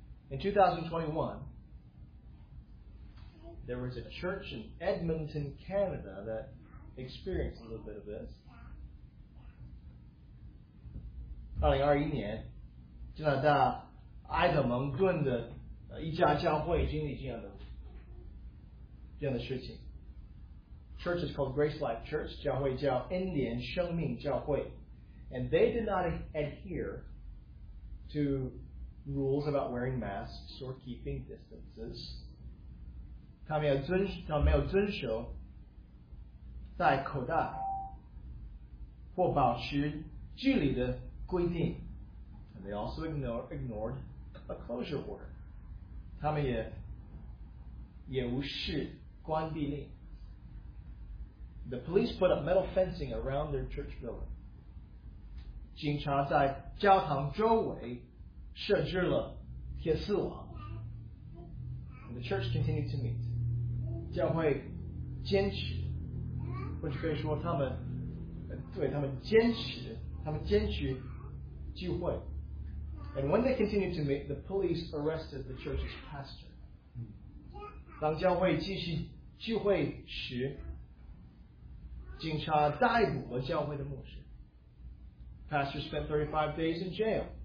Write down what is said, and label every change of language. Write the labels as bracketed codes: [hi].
[en] In 2021, there was a church in Edmonton, Canada that experienced a little bit of this. [zh] 2021年，加拿大埃德蒙顿的一家教会经历这样的事情。 [en] Church is called Grace Life Church， [zh] 教会叫恩典生命教会。 [en] And they did not adhere to rules about wearing masks or keeping distances， [zh] 他没有遵守戴口罩或保持距离的规定。 [en] And they also ignored a closure order， [zh] 他们也无视关闭令。 [en] The police put up metal fencing around their church building， [zh] 警察在教堂周围设置了铁丝网。 [en] And the church continued to meet， [zh] 教会坚持，或者可以说他们坚持聚会。 [en] And when they continued to meet, the police arrested the church's pastor. [zh] 当教会继续聚会时，警察逮捕了教会的牧师。 [en] Pastor spent 35 days in jail.